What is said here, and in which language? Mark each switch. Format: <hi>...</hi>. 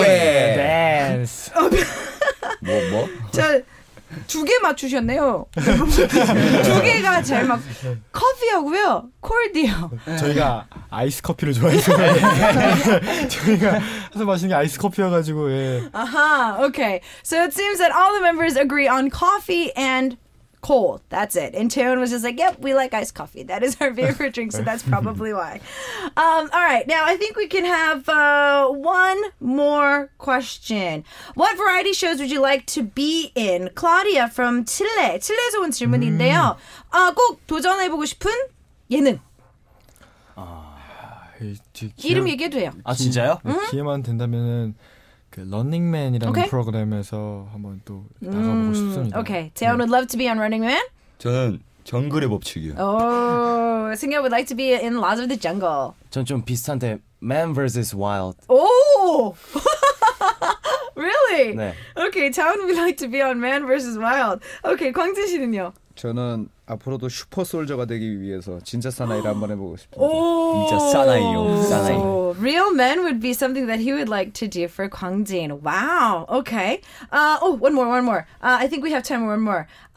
<en>it. Dance. Okay.</en> <ko>뭐, 뭐? 자, 두 개 맞추셨네요. 두 개가 제일 막 커피하고요, 콜드요. 저희가 아이스 커피를 좋아해서 저희가 항상 마시는 게 아이스 커피여가지고. 예.</ko> <en>아하, okay. So it seems that all the members agree on coffee and cold. That's it. And Taeyeon was just like, "Yep, we like iced coffee. That is our favorite drink. So that's probably why." All right. Now I think we can have one more question. What variety shows would you like to be in?</en> <ko>Claudia from Chile. Chile에서 온 질문인데요. 꼭 도전해보고 싶은 예능. 이름 얘기해도요. 아 진짜요? 기회만 된다면은. 그 런닝맨이라는 okay. 프로그램에서 한번 또 나가보고 싶습니다. 오케이, okay.</ko> <en>Taeyeon would love to be on Running Man.</en> <ko>저는 정글의 법칙이요.</ko> <en>Oh, Singyeon would like to be in Laws of the Jungle.</en> <ko>전 좀 비슷한데 Man vs. Wild.</ko> <en>Oh, really?</en> <ko>네.</ko> <en>Okay, Taeyeon would like to be on Man vs.</en> <ko>Wild. Okay, 광진 씨는요? 저는 앞으로도 슈퍼 솔저가 되기 위해서 진짜 사나이를 한번 해보고 싶어요. 진짜 사나이요. 사나이.</ko> <en>Real men would be something that he would like to do for 광진. Wow. Okay. Oh, one more, one more. I think we have time for one more.</en>